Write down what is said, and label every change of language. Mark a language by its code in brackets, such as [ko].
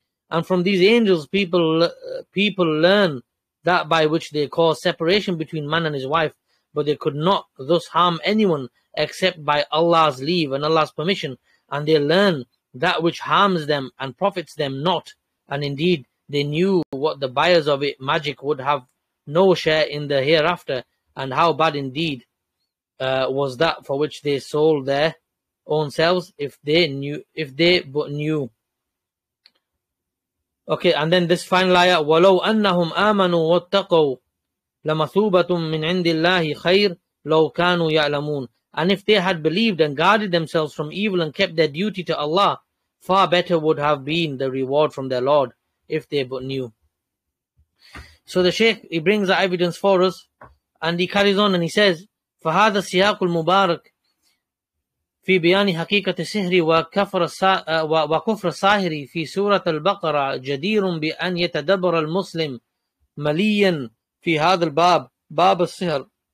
[en] And from these angels, people learn that by which they cause separation between man and his wife, but they could not thus harm anyone except by Allah's leave and Allah's permission, and they learn that which harms them and profits them not. And indeed, they knew what the buyers of it magic would have no share in the hereafter, and how bad indeed was that for which they sold their own selves, if they but knew. Okay, and then this final ayah, [ar] وَلَوْ أَنَّهُمْ آمَنُوا وَاتَّقَوْا لَمَثُوبَةٌ مِّنْ عِنْدِ اللَّهِ خَيْرٌ لَوْ كَانُوا يَعْلَمُونَ. [en] And if they had believed and guarded themselves from evil and kept their duty to Allah, far better would have been the reward from their Lord, if they but knew. So the Shaykh, he brings the evidence for us, and he carries on and he says, [ar] فَهَذَا السِّيَاقُ الْمُبَارَكُ في بيان حقيقة السحر وكفر الساحر في سورة البقرة جدير بأن يتدبر المسلم مليا في هذا الباب باب السحر